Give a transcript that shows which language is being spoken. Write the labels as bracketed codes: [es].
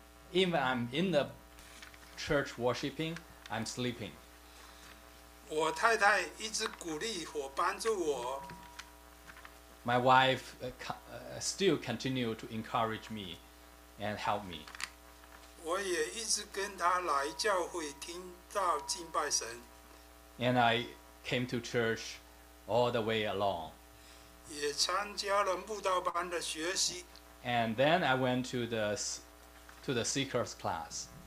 [en] Even I'm in the church worshiping, I'm sleeping. [zh] 我太太一直鼓励或帮助我。 [en] My wife still continue to encourage me and help me. [zh] 我也一直跟她来教会听到敬拜神。 [en] And I came to church all the way along. [zh] 也参加了慕道班的学习。 [en] And then I went to the seekers class.